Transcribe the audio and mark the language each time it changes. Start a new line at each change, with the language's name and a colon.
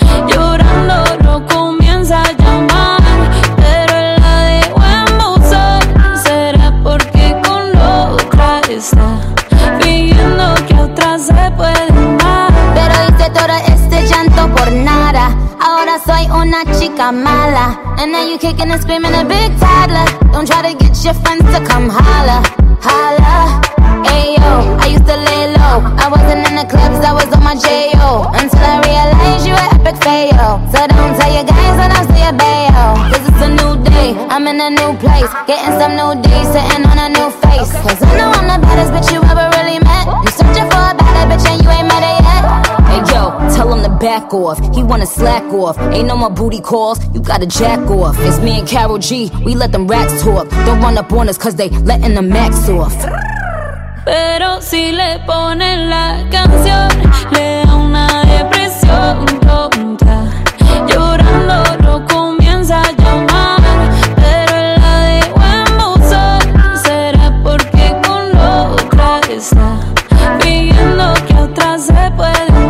Spanish: Llorando lo comienza a llamar, pero él la dejó en buzón. Será porque con otra está, fingiendo que otra se puede amar. Pero hice todo este llanto por nada. Ahora soy una chica mala.
English: And now you kicking and screaming a big toddler. Don't try to get your friends to come holla, holla. Ayo, I used to lay low. I wasn't in the clubs, I was on my J-O. Until I realized you an epic fail. So don't tell your guys when I see a bayo. Cause it's a new day, I'm in a new place. Getting some new D, sitting on a new face. Cause I know I'm the baddest bitch you ever really met. You searching for a better bitch and you ain't met it yet. Yo, tell him to back off, he wanna slack off. Ain't no more booty calls, you gotta jack off. It's me and Karol G, we let them racks talk. Don't run up on us cause they letting the max off.
Spanish: Pero si le ponen la canción, le da una depresión tonta. Llorando lo comienza a llamar, pero él la dejó en buzón. Será porque con otra está, pidiendo que otra se puede.